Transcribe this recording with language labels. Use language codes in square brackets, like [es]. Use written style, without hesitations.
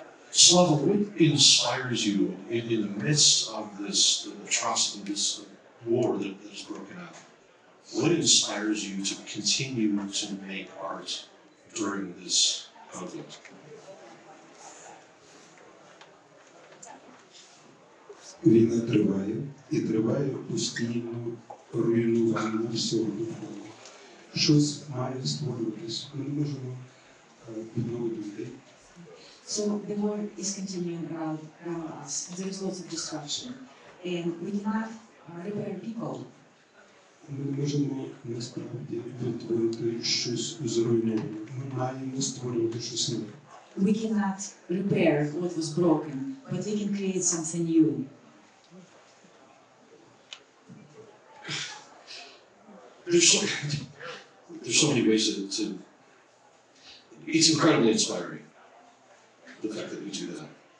[en] Slava, what inspires you in the midst of this atrocity, this war that has broken out? What inspires you to continue to make art during this conflict? [uk] Війна триває, і триває постійно руйнування всього довкола. Щось має створюватися. Ми не можемо відновити людей. [en] So the war is continuing around us. There is lots of destruction. And we cannot repair people. [uk] Ми не можемо насправді відтворити щось зруйноване. Ми маємо створювати щось нове. [en] We cannot repair what was broken, but we can create something new. There's so many ways to it's incredibly inspiring, the fact that we do that.